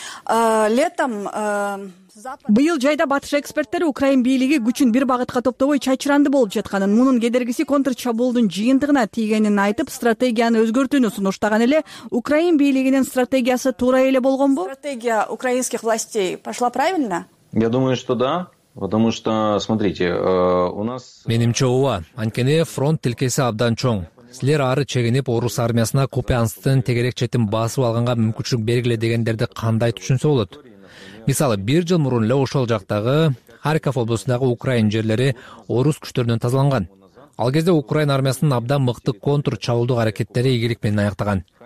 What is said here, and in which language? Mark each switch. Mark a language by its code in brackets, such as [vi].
[ru] Летом [ky] Быйыл жайда батыш эксперттери украин бийлиги күчүн бир багытка топтобой чачыранды болуп жатканын, мунун кедергиси контр чабуулдун жыйынтыгына тийгенин айтып, стратегияны өзгөртүүнү сунуштаган эле, украин бийлигинин стратегиясы туура эле болгонбу? [ru] Стратегия украинских властей пошла правильно? Я думаю, что да. Потому что, смотрите, у нас... [ky] Менимче ооба, анткени фронт тилкеси абдан чоң. Силер ары чегинип, орус армиясына Купянсктын тегерек четин басып алганга мүмкүнчүлүк бергиле дегендерди кандай түшүнсө болот? Мисалы, бир жыл мурун эле ошол жактагы Харьков облусундагы украин жерлери орус күчтөрүнөн тазаланган. Ал кезде украин армиясынын абдан мыкты контур чабуулдук аракеттери ийгилик менен аяктаган.